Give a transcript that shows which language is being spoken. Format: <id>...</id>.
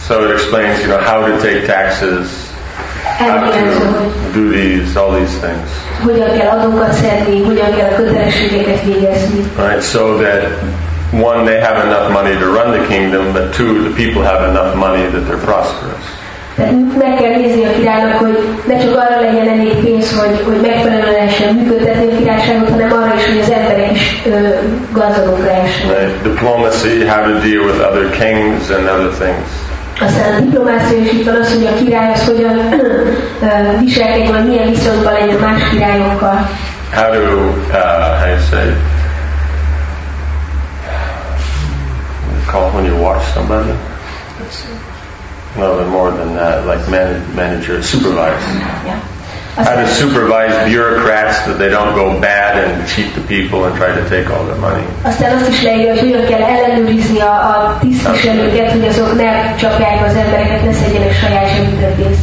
<en>So it explains, you know, how to take taxes, how to do duties, all these things. Right. So that one, they have enough money to run the kingdom, but two, the people have enough money that they're prosperous.</en> <hu>Tehát meg kell nézni a királynak, hogy ne csak arra legyen elég pénz, hogy megfelelően lehessen működtetni a királyságot, hanem arra is, hogy az emberek is gazdagok lehessen.</hu> <en>Right. Diplomacy, how to deal with other kings and other things.</en> <hu>Aztán a diplomácia is itt van az, hogy a király az hogyan viselkedik, vagy milyen viszonyban legyen más királyokkal.</hu> <en>How to, how you say, call when you watch somebody? No, more than that, like manager, supervisor. Yeah. How to supervise bureaucrats that they don't go bad and cheat the people and try to take all their money.</en> <hu>Aztán azt is leírja, hogy hogyan kell ellenőrizni a tisztviselőket, hogy azok ne csapják az embereket, ne szedjenek saját semmitől.</hu>